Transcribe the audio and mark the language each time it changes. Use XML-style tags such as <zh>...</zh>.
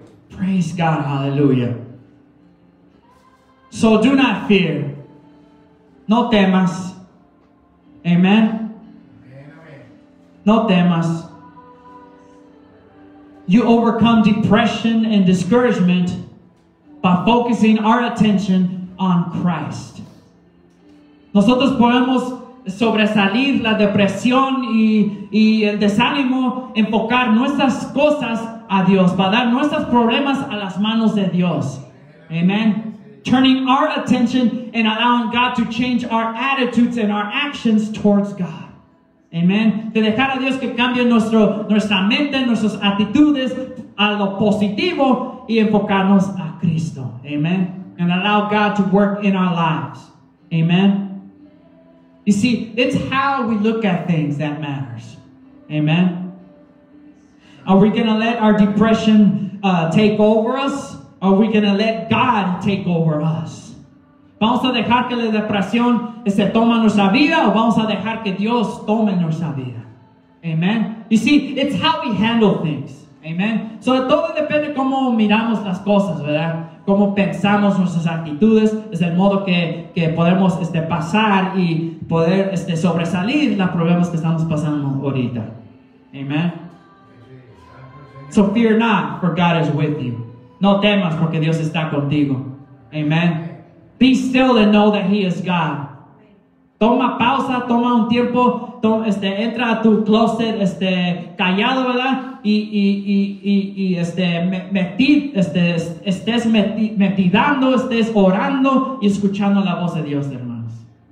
<en>Praise God, hallelujah. So do not fear.</en> <es>No temas.</es> <en>Amen. No temas. You overcome depression and discouragement by focusing our attention on Christ.</en> <es>Nosotros podemos sobresalir la depresión y el desánimo, enfocar nuestras cosas a Dios, para dar nuestros problemas a las manos de Dios. Amen.</es> <en>Turning our attention and allowing God to change our attitudes and our actions towards God. Amen.</en> <es>De dejar a Dios que cambie nuestra mente, nuestras actitudes a lo positivo y enfocarnos a Cristo. Amen.</es> <en>And allow God to work in our lives. Amen. You see, it's how we look at things that matters. Amen. Are we going to let our depression take over us? Or are we going to let God take over us?</en> <es>¿Vamos a dejar que la depresión se tome nuestra vida? ¿O vamos a dejar que Dios tome nuestra vida? Amen.</es> <en>You see, it's how we handle things. Amen. So</en> <es>todo depende cómo miramos las cosas, ¿verdad? Cómo pensamos nuestras actitudes, es el modo que podemos pasar y poder sobresalir los problemas que estamos pasando ahorita. Amen.</es> <en>So fear not, for God is with you.</en> <es>No temas, porque Dios está contigo.</es> <en>Amen. Be still and know that He is God.</en> <es>Toma pausa, toma un tiempo, entra a tu closet callado, ¿verdad? Estés orando y escuchando la voz de Dios, hermanos.</es>